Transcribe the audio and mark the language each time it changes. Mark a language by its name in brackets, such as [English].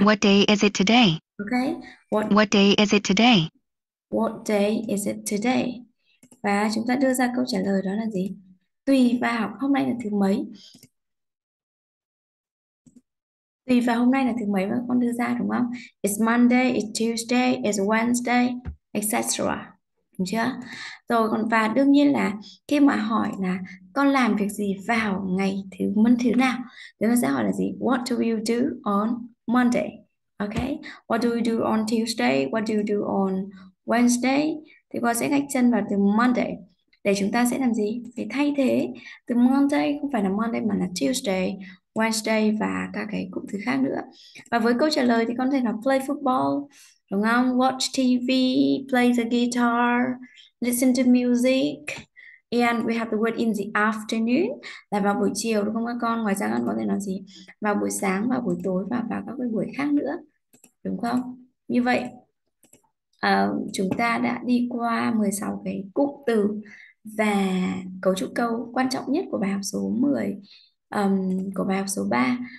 [English] What day is it today? Okay. What day is it today? What day is it today? [Vietnamese] Và chúng ta đưa ra câu trả lời đó là gì? Tùy vào hôm nay là thứ mấy. Tùy vào hôm nay là thứ mấy mà con đưa ra đúng không? [English] It's Monday, it's Tuesday, it's Wednesday, etc. [Vietnamese] Đúng chưa? Rồi còn và đương nhiên là khi mà hỏi là con làm việc gì vào ngày thứ mấy thứ nào, chúng ta sẽ hỏi là gì? [English] What do you do on Monday? Okay. What do you do on Tuesday? What do you do on Wednesday? [Vietnamese] Thì con sẽ gạch chân vào từ Monday. Để chúng ta sẽ làm gì? Để thay thế từ Monday, không phải là Monday mà là Tuesday, Wednesday và các cái cụm từ khác nữa. Và với câu trả lời thì con thể là [English] play football, [Vietnamese] đúng không? Watch TV, play the guitar, listen to music. [English] And we have the word in the afternoon [Vietnamese] là vào buổi chiều đúng không các con? Ngoài ra con có thể nói gì? Vào buổi sáng, vào buổi tối và vào các cái buổi khác nữa. Đúng không? Như vậy, chúng ta đã đi qua 16 cái cụm từ và cấu trúc câu quan trọng nhất của bài học số 10, của bài học số 3.